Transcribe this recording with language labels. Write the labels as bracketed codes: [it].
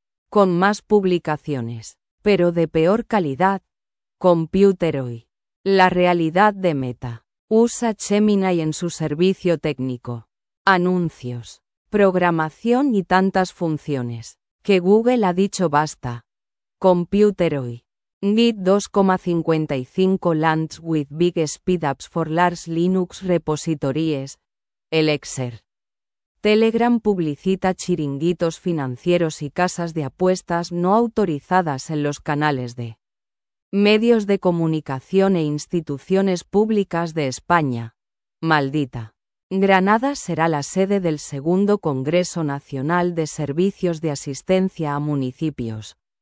[es] Con más publicaciones, pero de peor calidad, Computer Hoy. La realidad de Meta. Usa Gemini en su servicio técnico. Anuncios, programación y tantas funciones, que Google ha dicho basta. Computer Hoy. [en] Git 2.55 lands with big speedups for large Linux repositories. [es] Elixir. Telegram publicita chiringuitos financieros y casas de apuestas no autorizadas en los canales de medios de comunicación e instituciones públicas de España. Maldita. Granada será la sede del segundo Congreso Nacional de Servicios de Asistencia a Municipios.